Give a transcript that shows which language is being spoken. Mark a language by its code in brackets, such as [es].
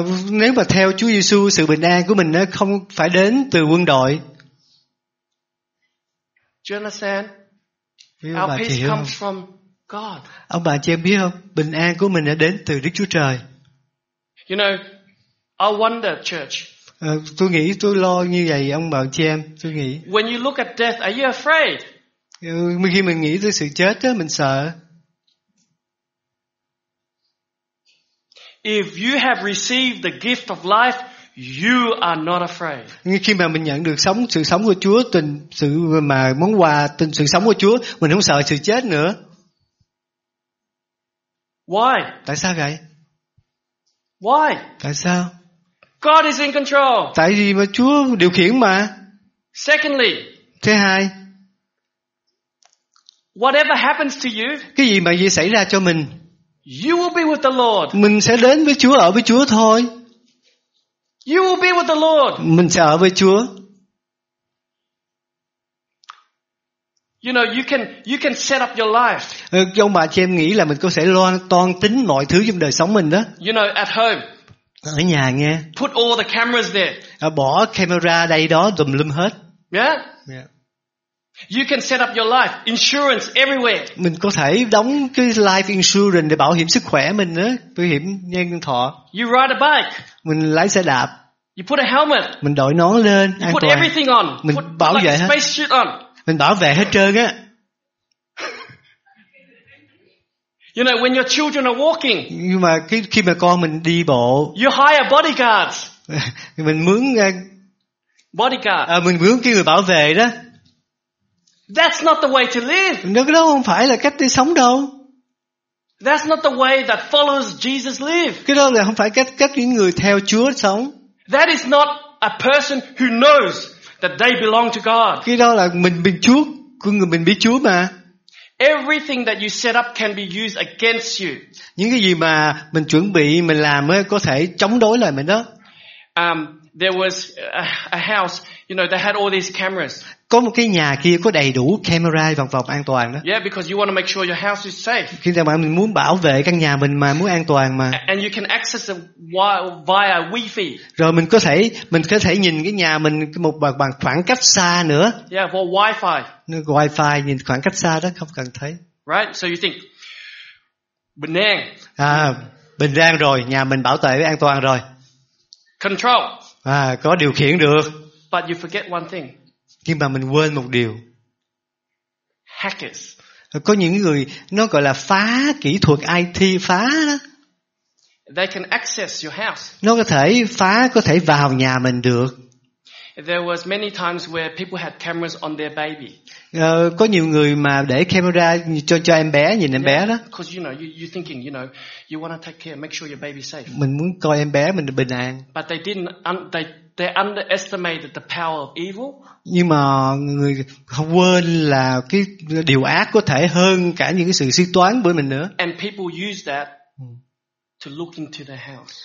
[vi] Nếu mà theo Chúa Giêsu, sự bình an của mình nó không phải đến từ quân đội. [en] Do you understand? Our peace comes from God. [vi] Ông bà chị em biết không? Bình an của mình đã đến từ Đức Chúa Trời. [en] You know, I wonder, church. [vi] Tôi nghĩ tôi lo như vậy ông bà chị em, tôi nghĩ. [en] When you look at death, are you afraid? [vi] Khi mình nghĩ tới sự chết á, mình sợ. [en] If you have received the gift of life, you are not afraid. [vi] Khi mà mình nhận được sống, sự sống của Chúa, tình sự mà món quà tình sự sống của Chúa, mình không sợ sự chết nữa. [en] Why? [vi] Tại sao vậy? [en] Why? [vi] Tại sao? [en] God is in control. [vi] Tại vì mà Chúa điều khiển mà. [en] Secondly. [vi] Thứ hai. [en] Whatever happens to you. [vi] Cái gì mà gì xảy ra cho mình. [en] You will be with the Lord. [vi] Mình sẽ đến với Chúa, ở với Chúa thôi. [en] You will be with the Lord. [vi] Mình sẽ ở với Chúa. [en] You know, you can set up your life. [vi] Ông bà chị em nghĩ là mình có thể lo toan tính mọi thứ trong đời sống mình đó. [en] You know, at home. [vi] Ở nhà nghe. [en] Put all the cameras there. [vi] Bỏ camera đây đó tùm lum hết. [en] Yeah? Yeah. You can set up your life insurance everywhere. [vi] Mình có thể đóng cái [en] life insurance [vi] để bảo hiểm sức khỏe mình á, bảo hiểm nhân thọ. [en] You ride a bike. [vi] Mình lái xe đạp. [en] You put a helmet. [vi] Mình đội nón lên. [en] You put everything on. [vi] Mình [en] put, [vi] bảo [en] like [vi] vệ [en] a space suit on. [vi] Mình bảo vệ hết trơn á. [en] You know, when your children are walking. [vi] Nhưng mà khi mà con mình đi bộ. [en] You hire bodyguards. [vi] Mình mướn [en] bodyguard. [vi] Mình mướn cái người bảo vệ đó. [en] That's not the way to live. [vi] Cái đó không phải là cách đi sống đâu. [en] That's not the way that followers Jesus live. [vi] Cái đó là không phải cách những người theo Chúa sống. [en] That is not a person who knows that they belong to God. [vi] Cái đó là mình Chúa, của người mình biết Chúa mà. [en] Everything that you set up can be used against you. [vi] Những cái gì mà mình chuẩn bị mình làm có thể chống đối lại mình đó. [en] There was a house You know, they had all these cameras. [vi] Có một cái nhà kia có đầy đủ camera vòng vòng an toàn đó. [en] Yeah, because you want to make sure your house is safe. [vi] Khi mà mình muốn bảo vệ căn nhà mình mà muốn an toàn mà. [en] And you can access it via Wi-Fi. [vi] Rồi mình có thể nhìn cái nhà mình một bằng khoảng cách xa nữa. [en] Yeah, for Wi-Fi. [vi] Wi-Fi nhìn khoảng cách xa đó không cần thấy. [en] Right, so you think [vi] bình an. À, bình an rồi, nhà mình bảo vệ an toàn rồi. [en] Control. [vi] À, có điều khiển được. [en] But you forget one thing. [vi] Nhưng mà mình quên một điều. [en] Hackers. [vi] Có những người nó gọi là phá kỹ thuật IT phá đó. [en] They can access your house. [vi] Nó có thể vào nhà mình được. [en] There was many times where people had cameras on their baby. [vi] Có nhiều người mà để camera cho em bé nhìn em bé đó. [en] Because you know you're thinking you know you want to take care, make sure your baby's safe. [vi] Mình muốn coi em bé mình bình an. [en] But they didn't. They underestimated the power of evil. [vi] Nhưng mà người quên là cái điều ác có thể hơn cả những cái sự suy toán của mình nữa. [en] And people use that to look into the house.